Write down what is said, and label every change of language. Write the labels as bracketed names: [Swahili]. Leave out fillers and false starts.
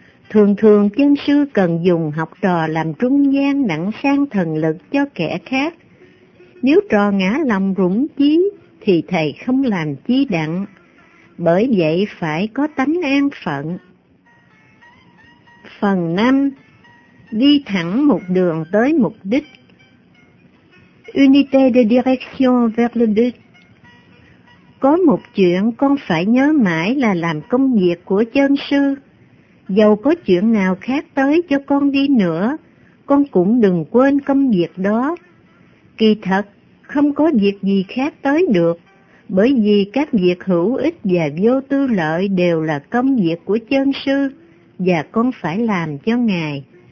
[Vietnamese] Thường thường chân sư cần dùng học trò làm trung gian đặng sang thần lực cho kẻ khác. Nếu trò ngã lòng rủng chí thì thầy không làm chi đặng. Bởi vậy phải có tánh an phận. Phần 5. Đi thẳng một đường tới mục đích. [French] Unité de direction vers le but. [Vietnamese] Có một chuyện con phải nhớ mãi là làm công việc của chân sư. Dầu có chuyện nào khác tới cho con đi nữa, con cũng đừng quên công việc đó. Kỳ thật, không có việc gì khác tới được, bởi vì các việc hữu ích và vô tư lợi đều là công việc của chân sư, và con phải làm cho Ngài.